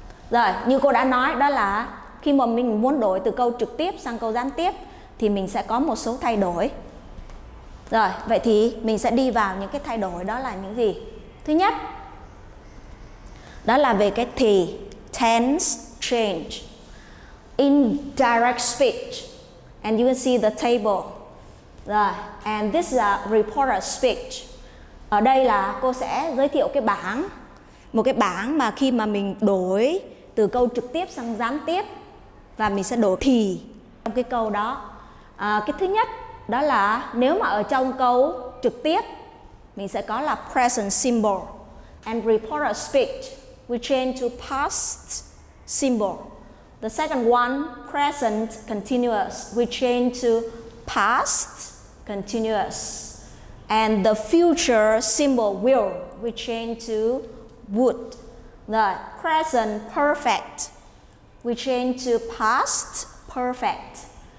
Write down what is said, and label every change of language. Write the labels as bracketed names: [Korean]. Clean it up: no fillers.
[Vietnamese] Rồi, như cô đã nói, đó là khi mà mình muốn đổi từ câu trực tiếp sang câu gián tiếp thì mình sẽ có một số thay đổi. Rồi, vậy thì mình sẽ đi vào những cái thay đổi đó là những gì? Thứ nhất, đó là về cái thì, [English] tense change. In direct speech, and you can see the table. Rồi, and this is a reporter speech. [Vietnamese] Ở đây là cô sẽ giới thiệu cái bảng, một cái bảng mà khi mà mình đổi từ câu trực tiếp sang gián tiếp và mình sẽ đổi thì trong cái câu đó. À, cái thứ nhất đó là nếu mà ở trong câu trực tiếp mình sẽ có là [English] present symbol and reporter speech, we change to past symbol. The second one, present continuous, we change to past continuous. And the future symbol will, we change to would. The present perfect, we change to past perfect.